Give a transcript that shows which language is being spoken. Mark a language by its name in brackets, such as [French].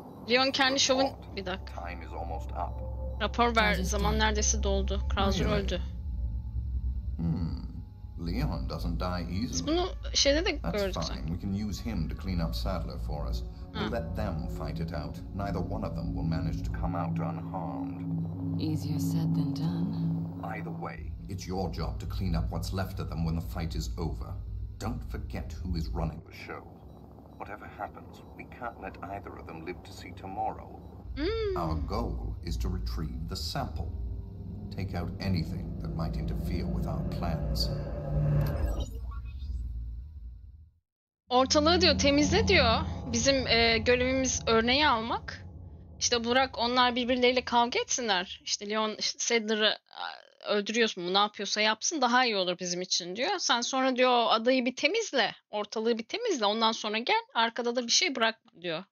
[Turkish] Leon kendi şovun... Bir dakika. Rapor ver. Zaman neredeyse doldu. Krauser öldü. [English] Leon doesn't die easily. [Turkish] Biz bunu şeyde de gördük. [English] That's fine. We can use him to clean up Sadler for us. We'll let them fight it out. Neither one of them will manage to come out unharmed. Easier said than done. Either way, it's your job to clean up what's left of them when the fight is over. Don't forget who is running the show. Whatever happens, we can't let either of them live to see tomorrow. Our goal is to retrieve the sample. Take out anything that might interfere with our plans. [Turkish] Ortalığı diyor, temizle diyor. Bizim görevimiz örneği almak. İşte bırak onlar birbirleriyle kavga etsinler. İşte Leon işte Sadler'ı öldürüyorsun, ne yapıyorsa yapsın daha iyi olur bizim için diyor. Sen sonra diyor adayı bir temizle, ortalığı bir temizle, ondan sonra gel, arkada da bir şey bırak diyor.